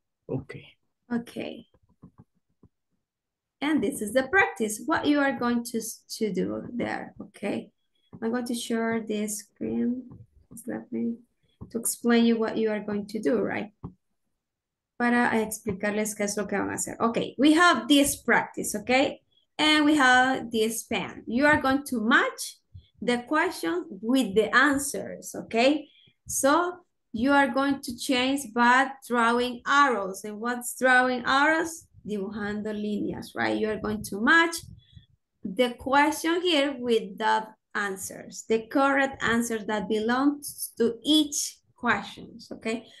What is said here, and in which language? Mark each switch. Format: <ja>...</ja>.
<en>Okay. Okay. And this is the practice. What you are going to do there? Okay. I'm going to share this screen. Let me to explain you what you are going to do. Right.</en> <es>Para explicarles qué es lo que van a hacer.</es> <en>Okay. We have this practice. Okay. And we have this pen. You are going to match the question with the answers, okay? So you are going to change by drawing arrows. And what's drawing arrows?</en> <es>Dibujando líneas,</es> <en>right? You are going to match the question here with the answers, the correct answers that belongs to each question, okay?</en>